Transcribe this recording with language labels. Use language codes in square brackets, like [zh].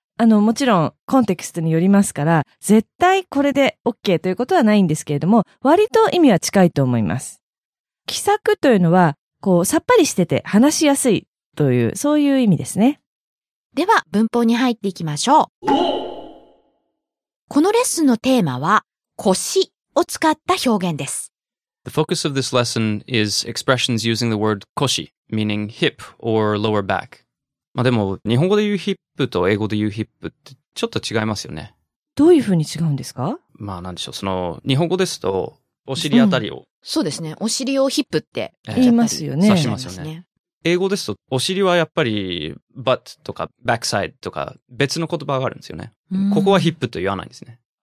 [ja] あのもちろんコンテクストによりますから絶対これで OK ということはないんですけれども、割と意味は近いと思います。気さくというのはこうさっぱりしてて話しやすいというそういう意味ですね。では文法に入っていきましょう。このレッスンのテーマは腰を使った表現です。 [en] The focus of this lesson is expressions using the word 腰, meaning hip or lower back. [ja] まあでも日本語で言うヒップと英語で言うヒップってちょっと違いますよね。どういうふうに違うんですか？まあなんでしょう、その日本語ですとお尻あたりを、うん、そうですね、お尻をヒップって言いますよね。指しますよね。英語ですとお尻はやっぱり butt とか backside とか別の言葉があるんですよね、うん、ここはヒップと言わないんですね。